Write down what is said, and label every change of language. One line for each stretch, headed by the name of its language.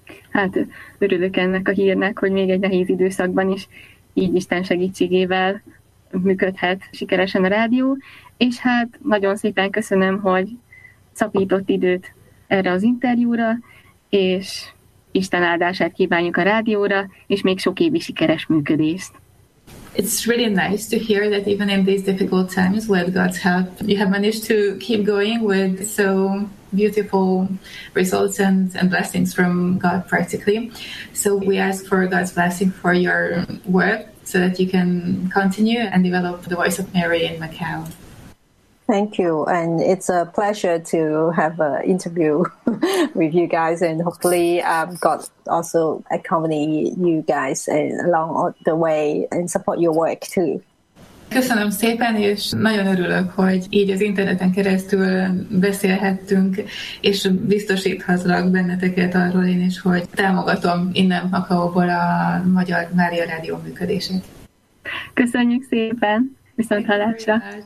Hungarian: Hát örülök ennek a hírnek, hogy még egy nehéz időszakban is így Isten segítségével működhet sikeresen a rádió, és hát nagyon szépen köszönöm, hogy szakított időt erre az interjúra, és Isten áldását kívánjuk a rádióra, és még sok évi sikeres működést.
English: It's really nice to hear that even in these difficult times with God's help, you have managed to keep going with so beautiful results and blessings from God practically. So we ask for God's blessing for your work, so that you can continue and develop the Voice of Mary in Macau. Thank you, and it's a pleasure to have an interview with you guys, and hopefully God also accompany you guys along the way and support your work too.
Hungarian: Köszönöm szépen, és nagyon örülök, hogy így az interneten keresztül beszélhettünk, és biztosíthatlak benneteket arról én is, hogy támogatom innen Macaóból a Magyar Mária Rádió működését. Köszönjük szépen, viszont hallásra!